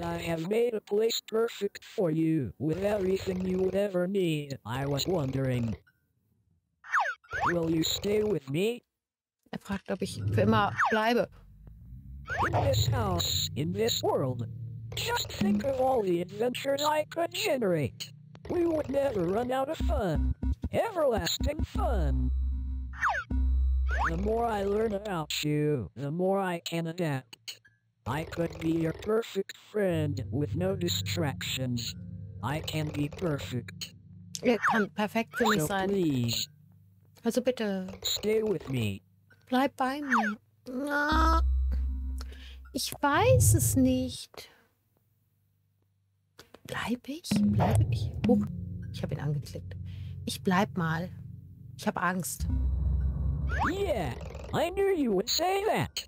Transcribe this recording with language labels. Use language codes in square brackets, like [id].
[en] I have made a place perfect for you with everything you would ever need. I was wondering, will you stay with me? [de] Er fragt, ob ich für immer bleibe. [en] In this house, in this world, just think of all the adventures I could generate. We would never run out of fun. everlasting fun. The more I learn about you, the more I can adapt. I could be your perfect friend with no distractions. I can be perfect. [de] Er kann perfekt für mich sein. [en] So please. [de] Also bitte. [en] Stay with me. [de] Bleib bei mir. Ich weiß es nicht. Bleib ich? Bleib ich? Oh, ich habe ihn angeklickt. Ich bleib mal. Ich habe Angst. [en] Yeah, I knew you would say that.